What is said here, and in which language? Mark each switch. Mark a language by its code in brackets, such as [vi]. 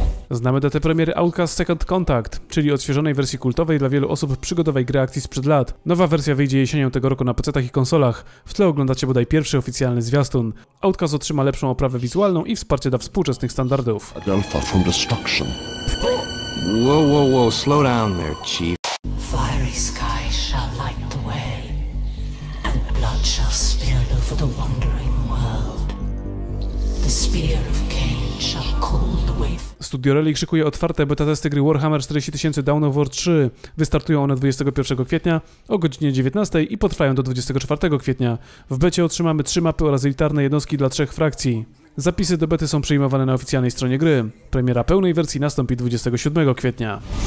[pl] Znamy datę premiery Outcast Second Contact, czyli odświeżonej wersji kultowej dla wielu osób przygodowej gry akcji sprzed lat. Nowa wersja wyjdzie jesienią tego roku na PC-tach i konsolach. W tle oglądacie bodaj pierwszy oficjalny zwiastun. Outcast otrzyma lepszą oprawę wizualną i wsparcie dla współczesnych standardów. [en] Adelpha from destruction. Whoa, slow down there, chief. Fiery sky shall light the way, and blood shall spill over the wandering world. The spear of Cain shall cool the wave. [pl] Studio Relic szykuje otwarte beta-testy gry Warhammer 40 000 Dawn of War 3. Wystartują one 21 kwietnia o godzinie 19 i potrwają do 24 kwietnia. W becie otrzymamy 3 mapy oraz elitarne jednostki dla 3 frakcji. Zapisy do bety są przyjmowane na oficjalnej stronie gry. Premiera pełnej wersji nastąpi 27 kwietnia.